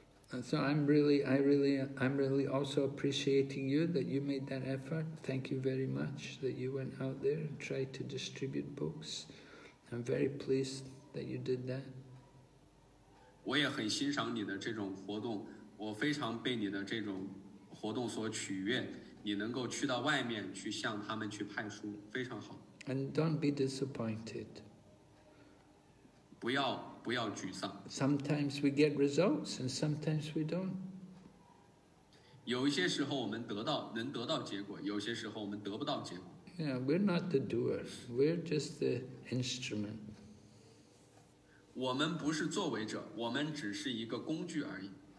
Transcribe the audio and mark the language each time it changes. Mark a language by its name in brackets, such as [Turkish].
[English] And so I'm really also appreciating you that you made that effort. Thank you very much that you went out there and tried to distribute books. I'm very pleased that you did that. [Chinese] 我也很欣赏你的这种活动，我非常被你的这种活动所取悦。你能够去到外面去向他们去派书，非常好。 [English] And don't be disappointed. [Chinese] 不要沮丧。 [English] Sometimes we get results and sometimes we don't. [Chinese] 有一些时候我们能得到结果，有些时候我们得不到结果。 [English] Yeah, we're not the doers. We're just the instrument. [Chinese] 我们不是作为者，我们只是一个工具而已。